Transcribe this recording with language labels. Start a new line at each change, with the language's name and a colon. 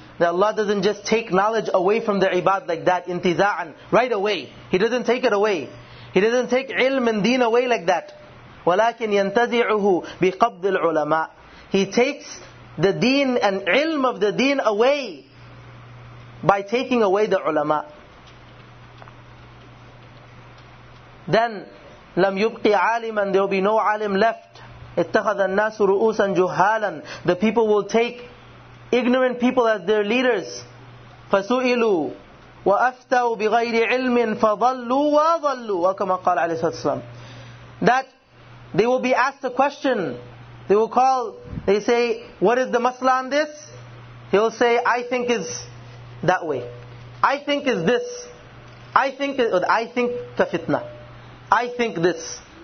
English: That Allah doesn't just take knowledge away from the ibad like that, intizaan, right away. He doesn't take it away. He doesn't take ilm and deen away like that.
Arabic: ولكن ينتزعه بقبض العلماء.
English: He takes the deen and ilm of the deen away by taking away the ulama. Then
Arabic: لم يبقي عالما,
English: there will be no alim left.
Arabic: اتخذ الناس رؤوسا جهالا,
English: the people will take ignorant people as their leaders.
Arabic: فسئلوا وأفتوا بغير علم فضلوا وضلوا, وكما قال عليه الصلاة والسلام.
English: That they will be asked a question, they will call, they say, what is the masla on this? He will say, I think is that way, I think is this, I think kafitna, I think this.